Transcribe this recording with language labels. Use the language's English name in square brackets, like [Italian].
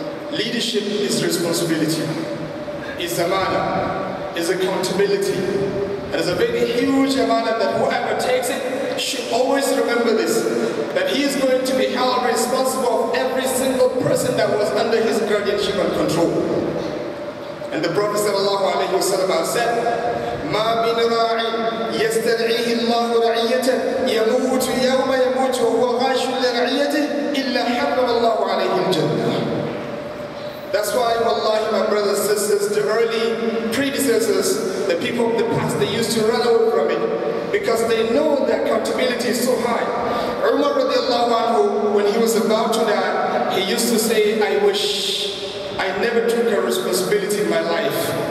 [English] Leadership is responsibility, is amanah, is accountability. And it's a very huge amanah that whoever takes it should always remember this, that he is going to be held responsible for every single person that was under his guardianship and control. And the Prophet sallallahu alayhi wa sallam said, [Arabic] مَا مِنْ رَاعٍ يَسْتَدْعِيهِ اللَّهُ رَعِيَّتَهِ يَمُوتُ يَوْمَ يَمُوتُ وَهُوَ غَاشٌ لِرَعِيَّتِهِ إِلَّا حَبَّ اللَّهُ عَلَيْهِ الْجَنَّةِ. [English] That's why, wallahi, my brothers and sisters, the early predecessors, the people of the past, they used to run away from it, because they know their accountability is so high. Umar radiallahu anhu, when he was about to die, he used to say, I wish I never took a responsibility in my life.